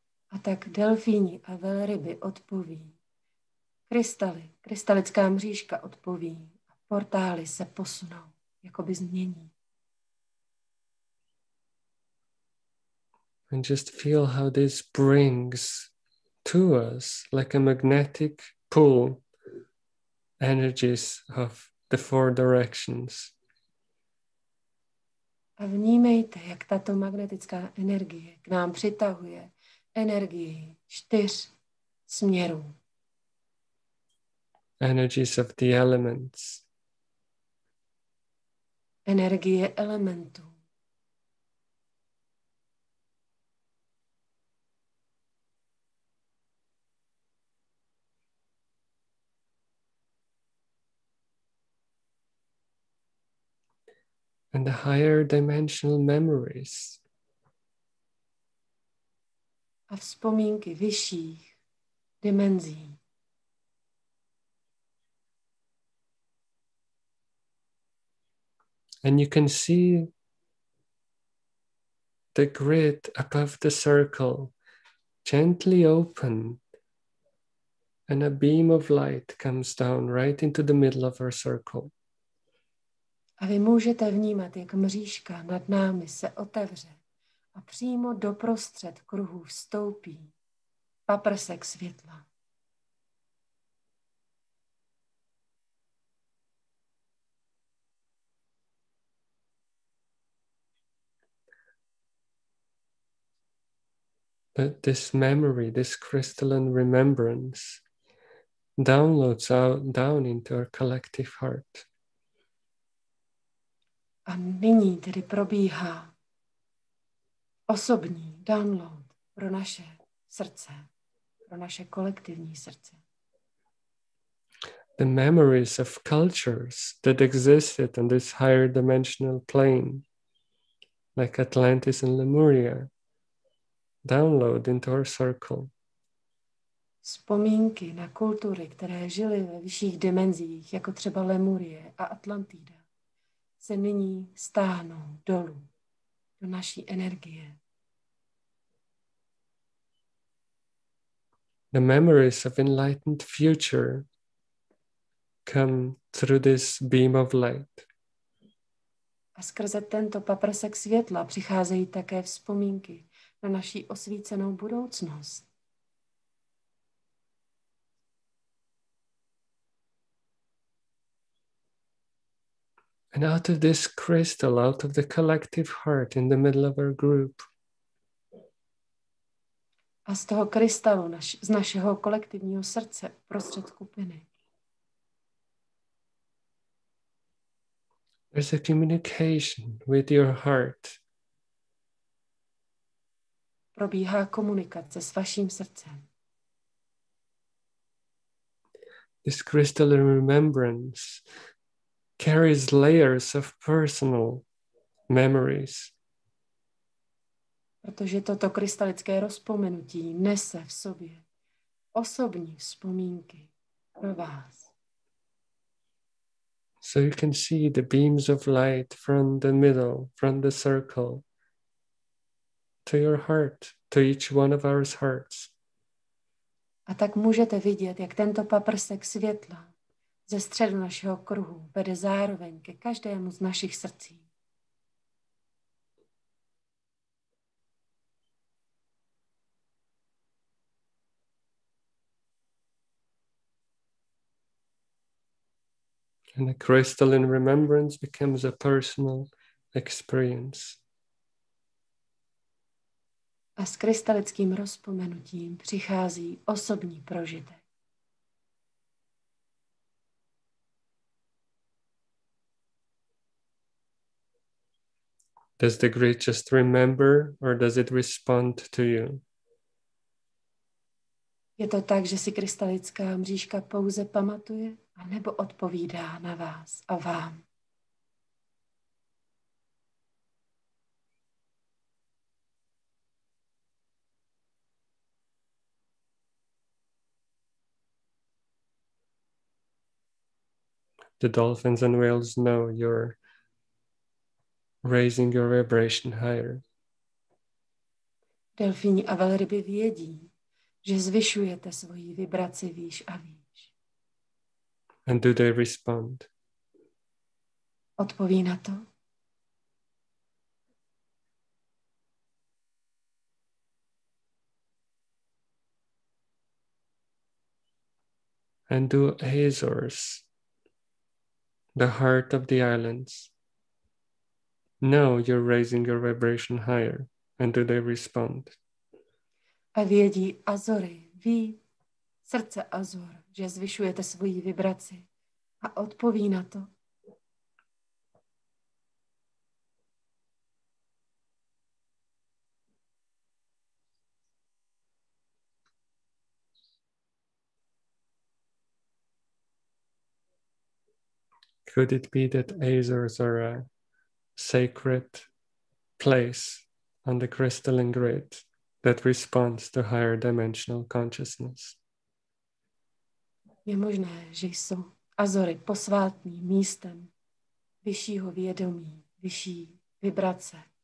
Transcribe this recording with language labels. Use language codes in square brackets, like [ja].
[cs] A tak delfíni a velryby odpoví. Krystaly, krystalická mřížka odpoví a portály se posunou, jakoby změní. [en] And just feel how this brings to us like a magnetic pull energies of the four directions. [cs] A vnímejte, jak tato magnetická energie k nám přitahuje energii čtyř směrů. [en] Energies of the elements. [cs] Energie elementů. [en] And the higher dimensional memories. [cs] A vzpomínky vyšších dimenzí. [en] And you can see the grid above the circle gently open, and a beam of light comes down right into the middle of our circle. [cs] A vy můžete vnímat, jak mřížka nad námi se otevře a přímo do prostřed kruhu vstoupí paprsek světla. [en] But this memory, this crystalline remembrance, downloads out down into our collective heart. [cs] A nyní tedy probíhá osobní download pro naše srdce, pro naše kolektivní srdce. [en] The memories of cultures that existed on this higher dimensional plane, like Atlantis and Lemuria, download into our circle. [cs] Vzpomínky na kultury, které žily ve vyšších dimenzích, jako třeba Lemurie a Atlantida, se nyní stáhnou dolů do naší energie. [en] The memories of enlightened future come through this beam of light. [cs] A skrze tento paprsek světla přicházejí také vzpomínky na naší osvícenou budoucnost. [en] And out of this crystal, out of the collective heart in the middle of our group. [cs] A z toho krystalu, z našeho kolektivního srdce, prostřed skupiny. [en] There's a communication with your heart. [cs] Probíhá komunikace s vaším srdcem. [en] This crystal remembrance carries layers of personal memories. [cs] Protože toto krystalické rozpomenutí nese v sobě osobní vzpomínky pro vás. [en] So you can see the beams of light from the middle, from the circle, to your heart, to each one of our hearts. [cs] A tak můžete vidět, jak tento paprsek světla ze středu našeho kruhu vede zároveň ke každému z našich srdcí. [en] And the crystalline remembrance becomes a personal experience. [cs] A s krystalickým rozpomenutím přichází osobní prožitek. [en] Does the grid just remember or does it respond to you? [cs] Je to tak, že si krystalická mřížka pouze pamatuje a nebo odpovídá na vás a vám? [en] The dolphins and whales know your raising your vibration higher. [cs] Delfíni a velryby vědí, že zvyšujete svoji vibraci výš a výš. [en] And do they respond? [cs] Odpoví na to? [en] And do Azores, the heart of the islands, know you're raising your vibration higher, and do they respond? [cs] A vědí Azory, ví srdce Azor, že zvyšujete svoji vibraci a odpoví na to. [en] Could it be that Azores are a sacred place on the crystalline grid that responds to higher dimensional consciousness? [cs] Je možné, že jsou Azory posvátným místem vyššího vědomí, vyšší vibrace.